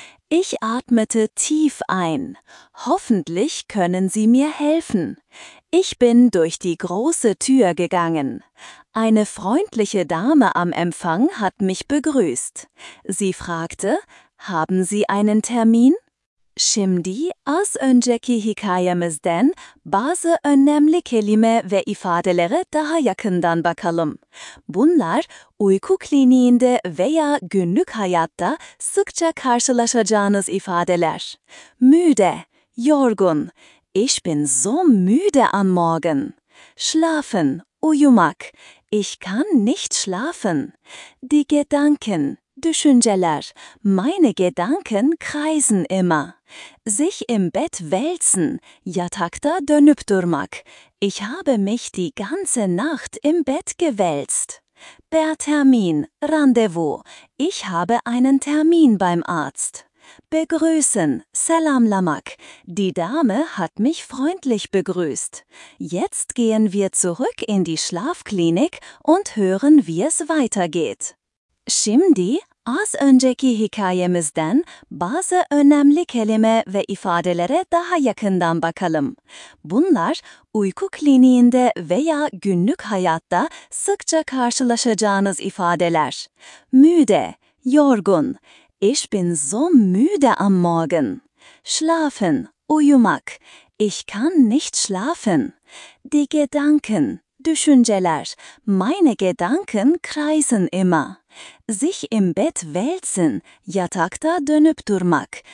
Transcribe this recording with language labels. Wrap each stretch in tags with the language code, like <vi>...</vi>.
<de>Ich atmete tief ein. Hoffentlich können Sie mir helfen. Ich bin durch die große Tür gegangen. Eine freundliche Dame am Empfang hat mich begrüßt. Sie fragte, haben Sie einen Termin?</de> <tr>Şimdi az önceki hikayemizden bazı önemli kelime ve ifadelere daha yakından bakalım. Bunlar uyku kliniğinde veya günlük hayatta sıkça karşılaşacağınız ifadeler.</tr> <de>Müde,</de> <tr>yorgun.</tr> <de>Ich bin so müde am Morgen. Schlafen,</de> <tr>uyumak.</tr> <de>Ich kann nicht schlafen. Die Gedanken.</de> <tr>Düşünceler.</tr> <de>Meine Gedanken kreisen immer. Sich im Bett wälzen.</de> <tr>Yatakta dönüp durmak.</tr> <de>Ich habe mich die ganze Nacht im Bett gewälzt. Der Termin. Rendezvous. Ich habe einen Termin beim Arzt. Begrüßen.</de> <tr>Selamlamak.</tr> <de>Die Dame hat mich freundlich begrüßt. Jetzt gehen wir zurück in die Schlafklinik und hören, wie es weitergeht.</de> <tr>Şimdi az önceki hikayemizden bazı önemli kelime ve ifadelere daha yakından bakalım. Bunlar uyku kliniğinde veya günlük hayatta sıkça karşılaşacağınız ifadeler.</tr> <de>Müde,</de> <tr>yorgun.</tr> <de>Ich bin so müde am Morgen. Schlafen,</de> <tr>uyumak.</tr> <de>Ich kann nicht schlafen. Die Gedanken,</de> <tr>düşünceler.</tr> <de>Meine Gedanken kreisen immer. Sich im Bett wälzen,</de> <tr>yatakta dönüp durmak.</tr>